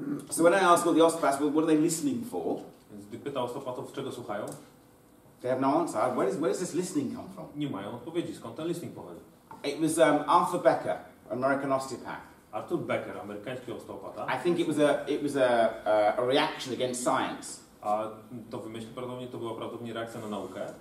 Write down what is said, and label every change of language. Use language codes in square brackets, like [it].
[en] So when I ask all the osteopaths, what are they listening for? [pl] Więc gdy pyta osteopatów, czego słuchają? [en] They have no answer. Where is this listening come from? [pl] Nie mają odpowiedzi. Skąd ten listening pochodzi? [en] It was Arthur Becker, American osteopath. [pl] Arthur Becker, amerykański osteopata. [en] I think it was a reaction against science. [pl] A to wymyślił prawdopodobnie, to była prawdopodobnie reakcja na naukę.